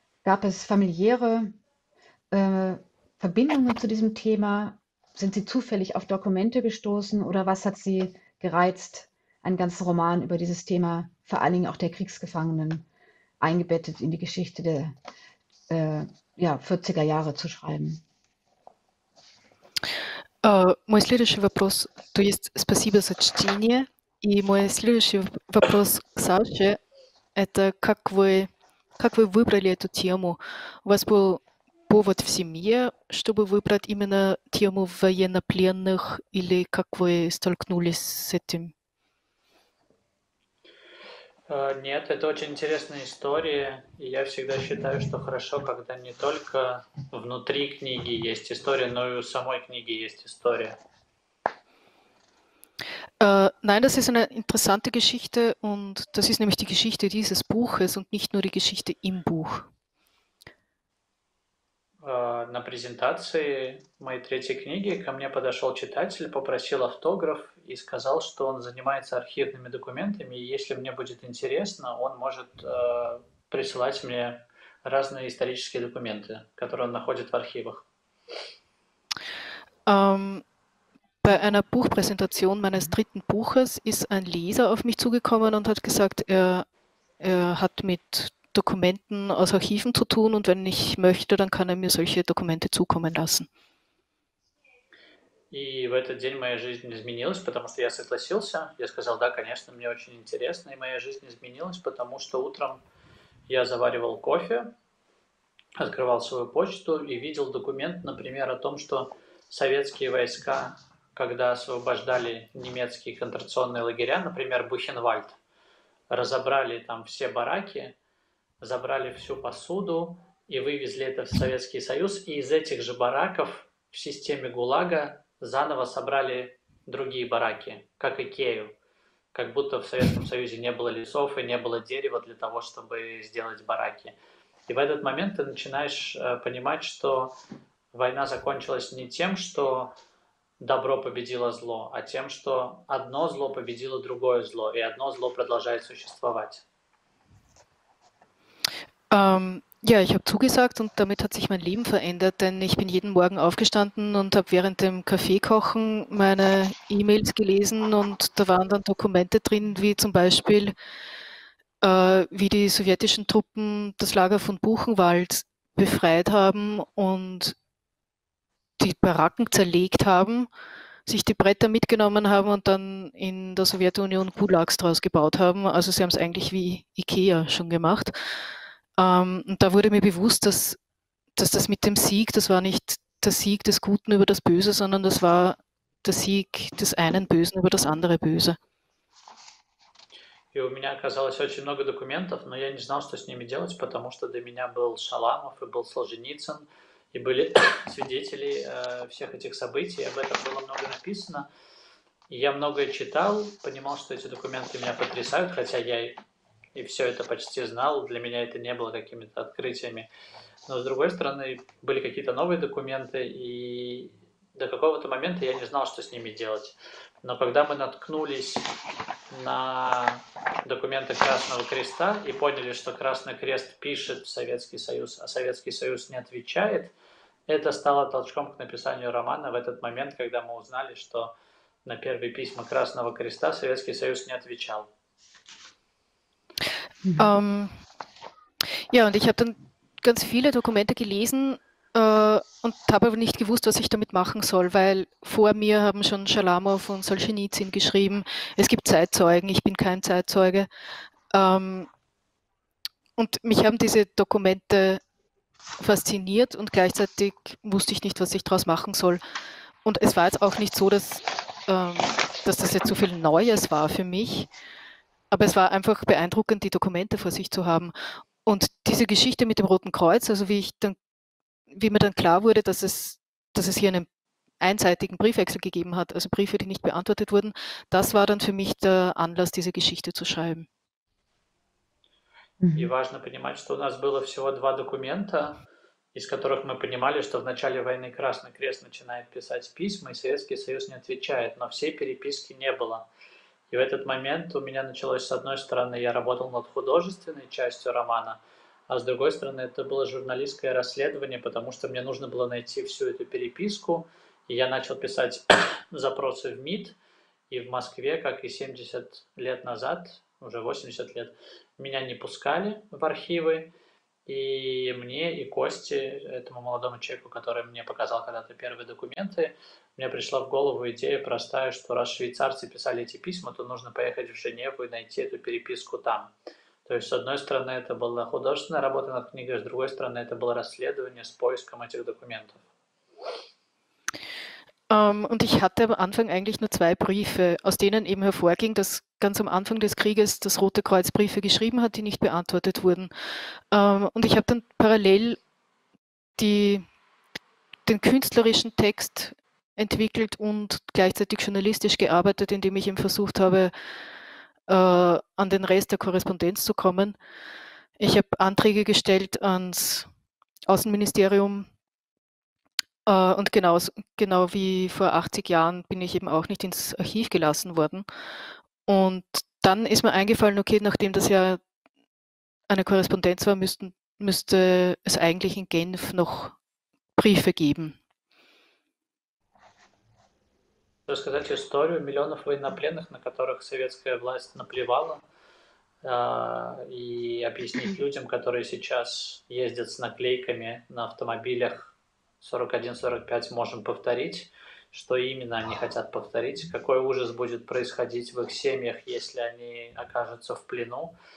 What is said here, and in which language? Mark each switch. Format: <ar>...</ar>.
<de>Gab es familiäre Verbindungen zu diesem Thema? Sind Sie zufällig auf Dokumente gestoßen oder was hat Sie gereizt, einen ganzen Roman über dieses Thema, vor allen Dingen auch der Kriegsgefangenen, eingebettet in die Geschichte der 40er Jahre zu schreiben?</de> <ru>Мой следующий вопрос, то есть спасибо за чтение, и мой следующий вопрос к Саше, это как вы выбрали эту тему? У вас был повод в семье, чтобы выбрать именно тему военнопленных, или как вы столкнулись с этим? Нет, это очень интересная история, и я всегда считаю, что хорошо, когда не только внутри книги есть история, но и у самой книги есть история.</ru> <de>Nein, das ist eine interessante Geschichte, und das ist nämlich die Geschichte dieses Buches und nicht nur die Geschichte im Buch.</de> <ru>На презентации моей третьей книги ко мне подошел читатель, попросил автограф и сказал, что он занимается архивными документами, и если мне будет интересно, он может присылать мне разные исторические документы, которые он находит в архивах.</ru> <de>Bei einer Buchpräsentation meines dritten Buches ist ein Leser auf mich zugekommen und hat gesagt, er hat mit Dokumenten aus Archiven zu tun und wenn ich möchte, dann kann er mir solche Dokumente zukommen lassen.</de> <ru>И в этот день моя жизнь изменилась, потому что я согласился. Я сказал, да, конечно, мне очень интересно, и моя жизнь изменилась, потому что утром я заваривал кофе, открывал свою почту и видел документ, например, о том, что советские войска, когда освобождали немецкие концентрационные лагеря, например, Бухенвальд, разобрали там все бараки, забрали всю посуду и вывезли это в Советский Союз, и из этих же бараков в системе ГУЛАГа заново собрали другие бараки, как Икею, как будто в Советском Союзе не было лесов и не было дерева для того, чтобы сделать бараки. И в этот момент ты начинаешь понимать, что война закончилась не тем, что добро победило зло, а тем, что одно зло победило другое зло, и одно зло продолжает существовать.</ru> <de>Ja, ich habe zugesagt und damit hat sich mein Leben verändert, denn ich bin jeden Morgen aufgestanden und habe während dem Kaffeekochen meine E-Mails gelesen und da waren dann Dokumente drin, wie zum Beispiel, wie die sowjetischen Truppen das Lager von Buchenwald befreit haben und die Baracken zerlegt haben, sich die Bretter mitgenommen haben und dann in der Sowjetunion Gulags draus gebaut haben. Also sie haben es eigentlich wie IKEA schon gemacht. Und da wurde mir bewusst, dass das mit dem Sieg, das war nicht der Sieg des Guten über das Böse, sondern das war der Sieg des einen Bösen über das andere Böse.</de> <ru>И у меня оказалось очень много документов, но я не знал, что с ними делать, потому что до меня был Шаламов и был Солженицын, и были свидетели всех этих событий, об этом было много написано. И я многое читал, понимал, что эти документы меня потрясают, хотя я и все это почти знал, для меня это не было какими-то открытиями. Но с другой стороны, были какие-то новые документы, и до какого-то момента я не знал, что с ними делать. Но когда мы наткнулись на документы Красного Креста и поняли, что Красный Крест пишет Советский Союз, а Советский Союз не отвечает, это стало толчком к написанию романа в этот момент, когда мы узнали, что на первые письма Красного Креста Советский Союз не отвечал.</ru> <de>Ja, und ich habe dann ganz viele Dokumente gelesen und habe aber nicht gewusst, was ich damit machen soll, weil vor mir haben schon Schalamow und Solzhenitsyn geschrieben, es gibt Zeitzeugen, ich bin kein Zeitzeuge. Und mich haben diese Dokumente fasziniert und gleichzeitig wusste ich nicht, was ich daraus machen soll. Und es war jetzt auch nicht so, dass das jetzt so viel Neues war für mich. Aber es war einfach beeindruckend, die Dokumente vor sich zu haben. Und diese Geschichte mit dem Roten Kreuz, also wie mir dann klar wurde, dass es hier einen einseitigen Briefwechsel gegeben hat, also Briefe, die nicht beantwortet wurden, das war dann für mich der Anlass, diese Geschichte zu schreiben.</de> <ru>И важно понимать, что у нас было всего два документа, из которых мы понимали, что в начале войны Красный Крест начинает писать письма, и Советский Союз не отвечает, но всей переписки не было. И в этот момент у меня началось, с одной стороны, я работал над художественной частью романа, а с другой стороны, это было журналистское расследование, потому что мне нужно было найти всю эту переписку, и я начал писать запросы в МИД, и в Москве, как и 70 лет назад, уже 80 лет, меня не пускали в архивы, и мне, и Косте, этому молодому человеку, который мне показал когда-то первые документы, мне пришла в голову идея простая, что раз швейцарцы писали эти письма, то нужно поехать в Женеву и найти эту переписку там. То есть, с одной стороны, это была художественная работа над книгой, с другой стороны, это было расследование с поиском этих документов.</ru> <de>Und ich hatte am Anfang eigentlich nur zwei Briefe, aus denen eben hervorging, dass ganz am Anfang des Krieges das Rote Kreuz Briefe geschrieben hat, die nicht beantwortet wurden. Und ich habe dann parallel den künstlerischen Text entwickelt und gleichzeitig journalistisch gearbeitet, indem ich eben versucht habe, an den Rest der Korrespondenz zu kommen. Ich habe Anträge gestellt ans Außenministerium. Und genau wie vor 80 Jahren bin ich eben auch nicht ins Archiv gelassen worden. Und dann ist mir eingefallen, okay, nachdem das ja eine Korrespondenz war, müsste es eigentlich in Genf noch Briefe geben.</de> <ru>Рассказать историю миллионов военнопленных, на которых советская власть наплевала, и объяснить людям, которые сейчас ездят с наклейками на автомобилях 41-45, можем повторить, что именно они хотят повторить, какой ужас будет происходить в их семьях, если они окажутся в плену.</ru>